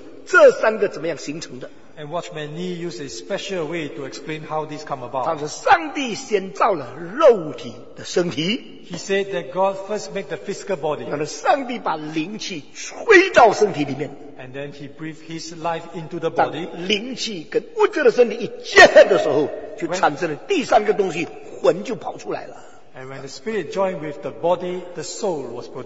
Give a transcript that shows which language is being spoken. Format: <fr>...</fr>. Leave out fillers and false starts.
<zh>所以三元论的人跟尼托生就用一种很特别的方法来解释这三个怎么样形成的。</zh> <en>And Watchman Nee used a special way to explain how this come about.</en> <zh>他说上帝先造了肉体的身体。</zh> <en>He said that God first made the physical body.</en> <zh>然后上帝把灵气吹到身体里面。</zh> <en>And then he breathed his life into the body.</en> <zh>灵气跟物质的身体一结合的时候, 就产生了第三个东西, 魂就跑出来了。</zh> <en>And when the spirit joined with the body, the soul was produced.</en>